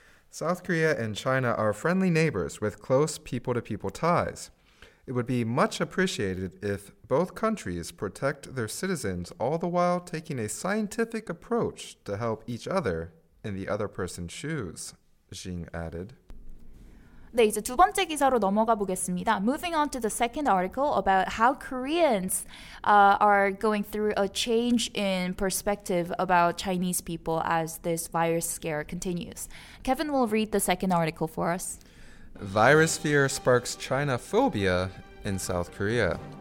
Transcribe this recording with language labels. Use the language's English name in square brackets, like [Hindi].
[English] South Korea and China are friendly neighbors with close people-to-people ties. It would be much appreciated if both countries protect their citizens all the while taking a scientific approach to help each other in the other person's shoes, Jing added. [Korean] 네, 이제 두 번째 기사로 넘어가 보겠습니다. [English] Moving on to the second article about how Koreans are going through a change in perspective about Chinese people as this virus scare continues. Kevin will read the second article for us. Virus fear sparks China phobia in South Korea.